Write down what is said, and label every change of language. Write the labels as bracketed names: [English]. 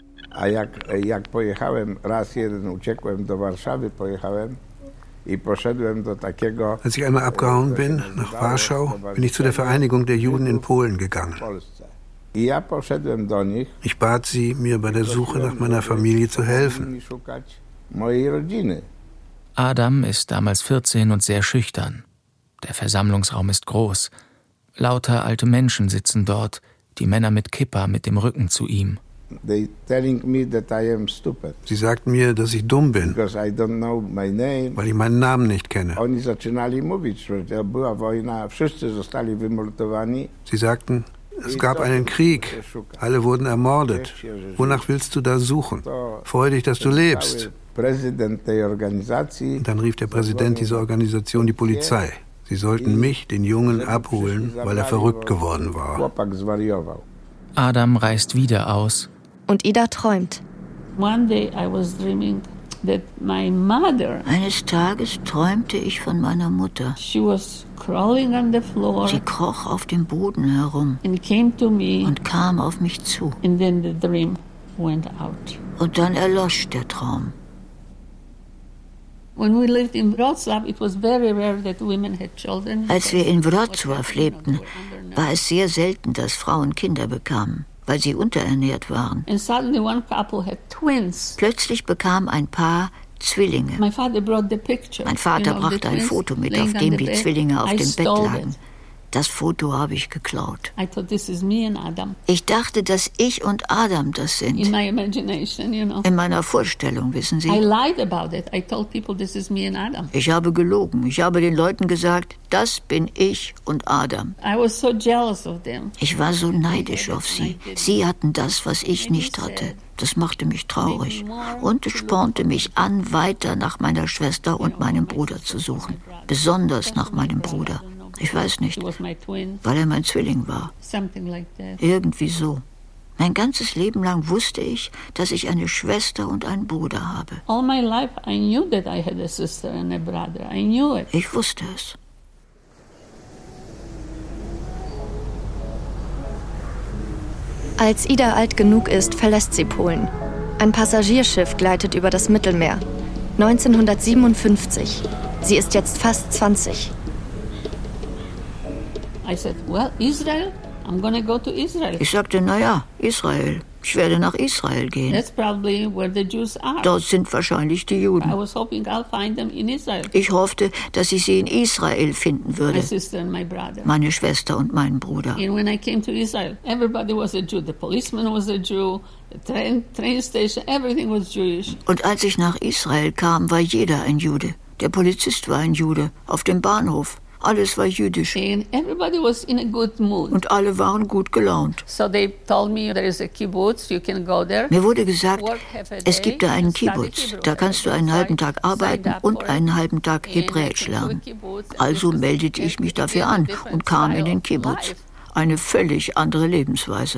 [Polish] A jak pojechałem raz jeden, uciekłem do Warszawy, pojechałem i poszedłem do takiego. [German] Als ich einmal abgehauen bin nach Warschau, bin ich zu der Vereinigung der Juden in Polen gegangen. [Polish] I ja poszedłem do nich. [German] Ich bat sie, mir bei der Suche nach meiner Familie zu helfen. [Polish] Mojej rodziny. [German] Adam ist damals 14 und sehr schüchtern. Der Versammlungsraum ist groß. Lauter alte Menschen sitzen dort, die Männer mit Kippa mit dem Rücken zu ihm. [English] They telling me that I am stupid. [German] Sie sagten mir, dass ich dumm bin, [English] because I don't know my name. [German] Weil ich meinen Namen nicht kenne. [Polish] Oni zaczynali mówić, że to była wojna, wszyscy zostali wymordowani. [German] Sie sagten, es gab einen Krieg, alle wurden ermordet. Wonach willst du da suchen? Freu dich, dass du lebst. Präsident der Organisation. Dann rief der Präsident dieser Organisation die Polizei. Sie sollten mich, den Jungen, abholen, weil er verrückt geworden war. [Polish] Chłopak zwariował. [German] Adam reist wieder aus. Und Ida träumt. [English] One day I was dreaming. that my mother. [German] Eines Tages träumte ich von meiner Mutter. [English] She was crawling on the floor. [German] Sie kroch auf dem Boden herum. [English] And came to me. [German] Und kam auf mich zu. [English] And then the dream went out. [German] Und dann erlosch der Traum. [English] When we lived in Wrocław, it was very rare that women had children. [German] Als wir in Wrocław lebten, war es sehr selten, dass Frauen Kinder bekamen, weil sie unterernährt waren. [English] And suddenly one couple had twins. [German] Plötzlich bekam ein Paar Zwillinge. [English] My father brought the picture. [German] Mein Vater brachte ein Foto mit, auf dem die Zwillinge auf dem Bett lagen. Das Foto habe ich geklaut. [English] I thought, this is me and Adam. [German] Ich dachte, dass ich und Adam das sind. [English] In my imagination, you know. [German] In meiner Vorstellung, wissen Sie. [English] I lied about it. I told people, this is me and Adam. [German] Ich habe gelogen. Ich habe den Leuten gesagt, das bin ich und Adam. [English] I was so jealous of them. [German] Ich war so neidisch auf sie. Sie hatten das, was ich nicht hatte. Das machte mich traurig. Und es spornte mich an, weiter nach meiner Schwester und meinem Bruder zu suchen. Besonders nach meinem Bruder. Ich weiß nicht, weil er mein Zwilling war. Irgendwie so. Mein ganzes Leben lang wusste ich, dass ich eine Schwester und einen Bruder habe. [English] All my life I knew that I had a sister and a brother. I knew it. [German] Ich wusste es. Als Ida alt genug ist, verlässt sie Polen. Ein Passagierschiff gleitet über das Mittelmeer. 1957. Sie ist jetzt fast 20. [English] I said, well, Israel, I'm gonna go to Israel. [German] Ich sagte, naja, Israel. Ich werde nach Israel gehen. [English] That's probably where the Jews are. [German] Dort sind wahrscheinlich die Juden. [English] I was hoping I'll find them in Israel. [German] Ich hoffte, dass ich sie in Israel finden würde. [English] My sister and my brother. [German] Meine Schwester und meinen Bruder. [English] And when I came to Israel, everybody was a Jew. The policeman was a Jew. The train station, everything was Jewish. [German] Und als ich nach Israel kam, war jeder ein Jude. Der Polizist war ein Jude. Auf dem Bahnhof. Alles war jüdisch. [English] And everybody was in a good mood. [German] Und alle waren gut gelaunt. [English] So they told me there is a kibbutz, you can go there. [German] Mir wurde gesagt, es gibt da einen Kibbutz. Da kannst du einen halben Tag arbeiten und einen halben Tag Hebräisch lernen. Also meldete ich mich dafür an und kam in den Kibbutz. Eine völlig andere Lebensweise.